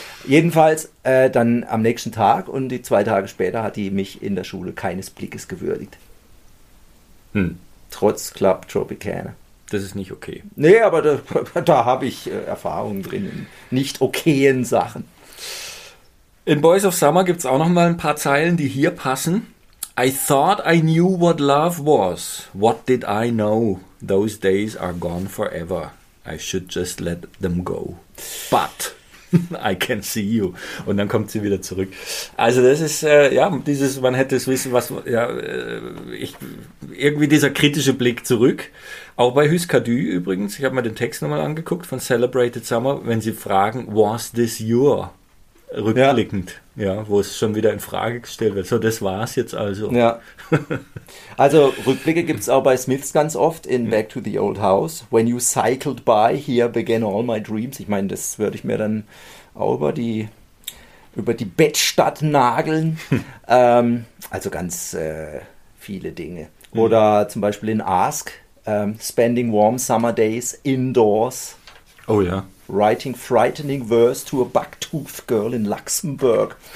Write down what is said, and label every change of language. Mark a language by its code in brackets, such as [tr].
[de] Jedenfalls dann am nächsten Tag und die 2 Tage später hat die mich in der Schule keines Blickes gewürdigt. Hm. Trotz Club Tropicana. Das ist nicht okay. Nee, aber da habe ich Erfahrungen drin in nicht okayen Sachen. In Boys of Summer gibt es auch noch mal ein paar Zeilen, die hier passen. [en] I thought I knew what love was. What did I know? Those days are gone forever. I should just let them go. But I can see you. [de] Und dann kommt sie wieder zurück. Also das ist, ja, dieses, man hätte es wissen, was, ja, ich, irgendwie dieser kritische Blick zurück. Auch bei Husker Du übrigens, ich habe mir den Text nochmal angeguckt von Celebrated Summer, wenn sie fragen, [en] was this your? [de] Rückblickend, ja, wo es schon wieder in Frage gestellt wird. So, das war es jetzt also. Ja. Also Rückblicke gibt es auch bei Smiths ganz oft in Back to the Old House. [en] When you cycled by, here began all my dreams. [de] Ich meine, das würde ich mir dann auch über die Bettstadt nageln. also ganz viele Dinge. Oder zum Beispiel in Ask, [en] spending warm summer days indoors. [de] Oh ja. [en] Writing frightening verse to a bucktooth girl in Luxembourg.